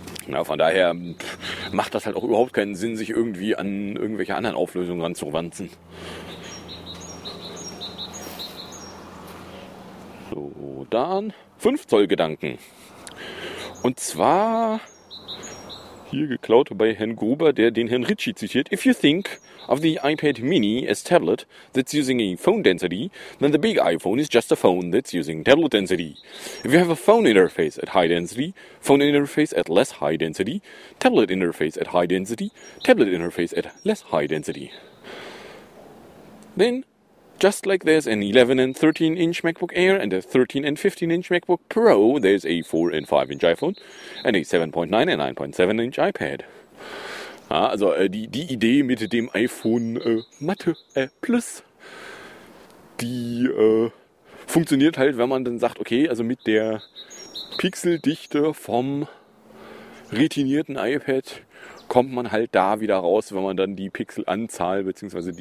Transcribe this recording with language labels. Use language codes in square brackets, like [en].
[de] Ja, von daher macht das halt auch überhaupt keinen Sinn, sich irgendwie an irgendwelche anderen Auflösungen ranzuwanzen. So, dann 5 Zoll Gedanken. Und zwar hier geklaut bei Herrn Gruber, der den Herrn Ritchie zitiert. [en] If you think of the iPad Mini as tablet that's using a phone density, then the big iPhone is just a phone that's using tablet density. If you have a phone interface at high density, phone interface at less high density, tablet interface at high density, tablet interface at less high density. Then, just like there's an 11 and 13 inch MacBook Air and a 13 and 15 inch MacBook Pro, there's a 4 and 5 inch iPhone and a 7.9 and 9.7 inch iPad. [de] Ja, also die Idee mit dem iPhone Plus, die funktioniert halt, wenn man dann sagt, okay, also mit der Pixeldichte vom retinierten iPad kommt man halt da wieder raus, wenn man dann die Pixelanzahl bzw.